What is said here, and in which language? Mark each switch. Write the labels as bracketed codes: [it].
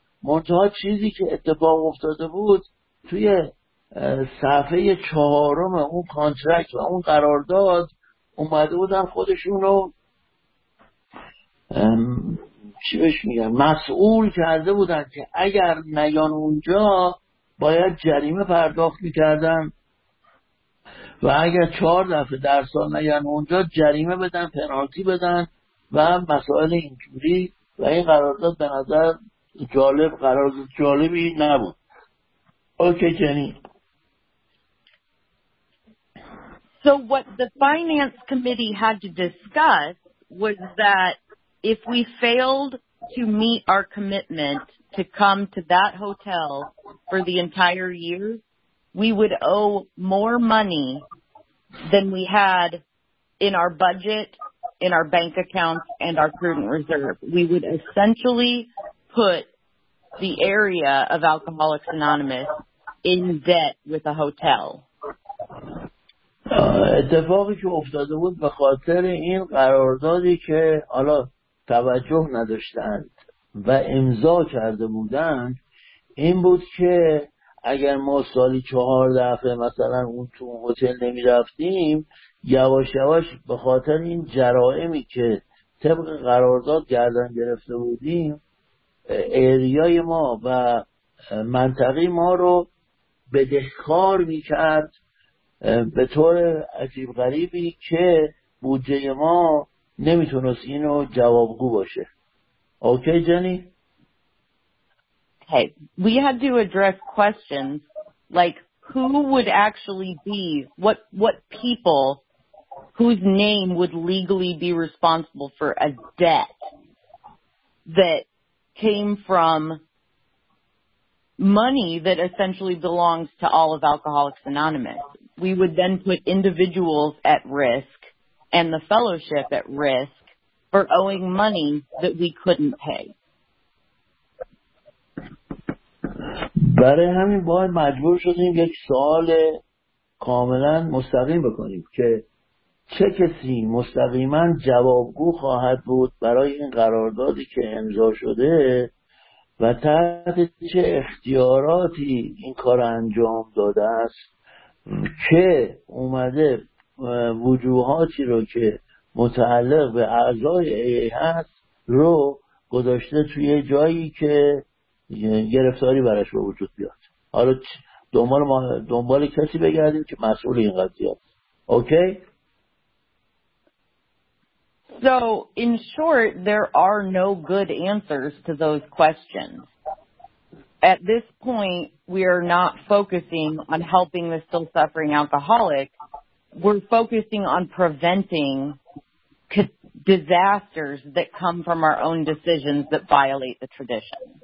[fa] منتها چیزی که اتفاق افتاده بود توی صفحه 4 اون کانترکت و اون قرارداد اومده بودن خودشون رو چی بهش میگن مسئول کرده بودن که اگر نیان اونجا باید جریمه پرداخت میکردن و اگر 4 دفعه در سال نیان اونجا جریمه بدن، پنالتی بدن و مسائل اینجوری. و این قرارداد به نظر جالب، قرارداد جالبی نبود. اوکی جنی. [en] So what the finance committee had to discuss was that if we failed to meet our commitment to come to that hotel for the entire year, we would owe more money than we had in our budget, in our bank accounts, and our prudent reserve. We would essentially put the area of Alcoholics Anonymous in debt with a hotel. [fa] اتفاقی که افتاده بود به خاطر این قراردادی که حالا توجه نداشتند و امضا کرده بودند این بود که اگر ما سالی 4 دفعه مثلا اون تو هتل نمی رفتیم یواش یواش به خاطر این جرائمی که طبق قرارداد گردن گرفته بودیم ایریای ما و منطقه ما رو بدهکار می کرد به طور عجیب غریبی که بودجه ما نمیتونست اینو جوابگو باشه. اوکی جنی؟ [en] Hey, we had to address questions like who would actually be, what people whose name would legally be responsible for a debt that came from money that essentially belongs to all of Alcoholics Anonymous. We would then put individuals at risk and the fellowship at risk for owing money that we couldn't pay. [fa] برای همین باید مجبور شدیم یک سوال کاملا مستقیم بکنیم که چه کسی مستقیما جوابگو خواهد بود برای این قراردادی که امضا شده و تحت چه اختیاراتی این کار انجام داده است که اومده وجوهاتی رو که متعلق به اعضای AA هست رو گذاشته توی جایی که گرفتاری براش به وجود بیاد. حالا دنبال ما دنبال کسی بگردیم که مسئول این قضیه است. اوکی؟ [en] So in short there are no good answers to those questions. At this point, we are not focusing on helping the still suffering alcoholic. We're focusing on preventing disasters that come from our own decisions that violate the tradition.